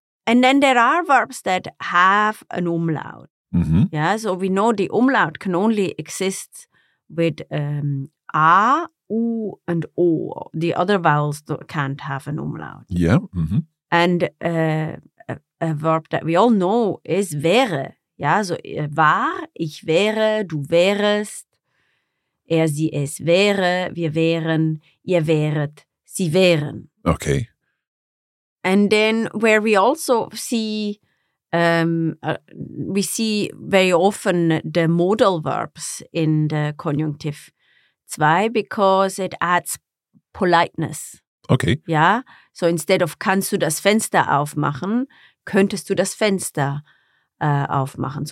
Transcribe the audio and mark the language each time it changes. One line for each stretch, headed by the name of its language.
English: And then there are verbs that have an umlaut. Mm-hmm. Yeah, so we know the umlaut can only exist with A, U, and O. The other vowels can't have an umlaut. Yeah. Mm-hmm. And a verb that we all know is wäre. Yeah, so
German: war, ich wäre, du wärest, er, sie, es wäre, wir wären, ihr wäret, sie wären.
English: Okay. And then where we also see, we see very often the modal verbs in the conjunctive 2 because it adds politeness. Okay. Yeah. So instead of
German: kannst du das Fenster aufmachen, könntest du das Fenster aufmachen.